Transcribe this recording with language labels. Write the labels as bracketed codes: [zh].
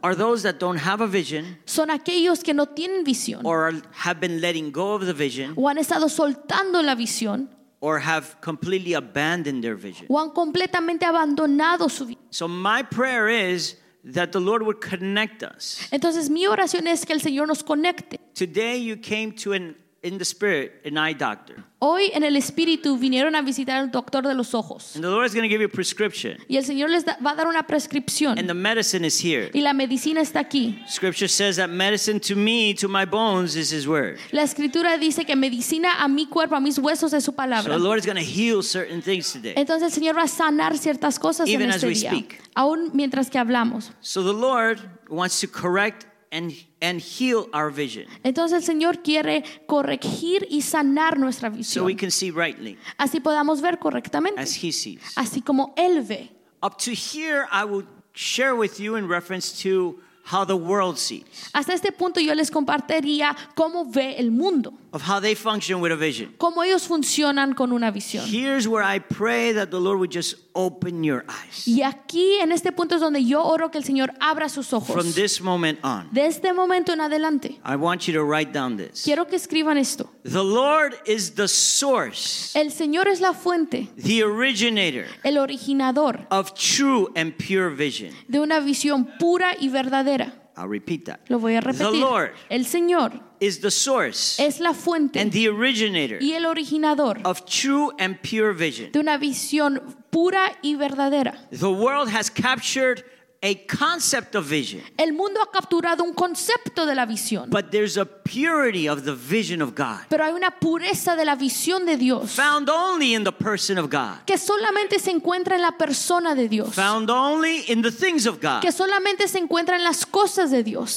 [en] are those that don't have a vision, [es] son aquellos que no tienen visión, [en] or have been letting go of the vision, [es] o han estado soltando la visión, [en] or have completely abandoned their vision, [es] o han completamente abandonado su visión. [en] So my prayer is that the Lord would connect us. [es] Entonces mi oración es que el Señor nos conecte. [en] Today you came to in the spirit, an eye doctor. [es] Hoy en el espíritu vinieron a visitar al doctor de los ojos. [en] And the Lord is going to give you a prescription. [es] Y el Señor les va a dar una prescripción. [en] And the medicine is here. [es] Y la medicina está aquí. [en] Scripture says that medicine to me, to my bones, is His word. [es] La escritura dice que medicina a mi cuerpo, a mis huesos, es su palabra. [en] So the Lord is going to heal certain things today. [es] Entonces el Señor va a sanar ciertas cosas en este día. [en] Even as we speak. [es] Aún mientras que hablamos. [en] So the Lord wants to correct and heal our vision. [es] Entonces el Señor quiere corregir y sanar nuestra visión. [en] So we can see rightly. [es] Así podamos ver correctamente. [en] As He sees. [es] Así como Él ve. [en] Up to here, I will share with you in reference to how the world sees. [es] Hasta este punto yo les compartiría cómo ve el mundo. [en] Of how they function with a vision. [es] Cómo ellos funcionan con una visión. [en] Here's where I pray that the Lord would just open your eyes. [es] Y aquí en este punto es donde yo oro que el Señor abra sus ojos. [en] From this moment on. [es] De este momento en adelante. [en] I want you to write down this. [es] Quiero que escriban esto. [en] The Lord is the source. [es] El Señor es la fuente. [en] The originator. [es] El originador. [en] Of true and pure vision. [es] De una visión pura y verdadera. [en] I'll repeat that. [es] Lo voy a repetir. [en] The Lord, [es] el Señor, [en] is the source, [es] es la fuente, [en] and the originator, [es] y el originador, [en] of true and pure vision, [es] de una visión pura y verdadera. [en] The world has captured a concept of vision. [es] El mundo ha capturado un concepto de la visión. [en] But there's a purity of the vision of God. [es] Pero hay una pureza de la visión de Dios. [en] Found only in the person of God. [es] Que solamente se encuentra en la persona de Dios. [en] Found only in the things of God. [es] Que solamente se encuentra en las cosas de Dios.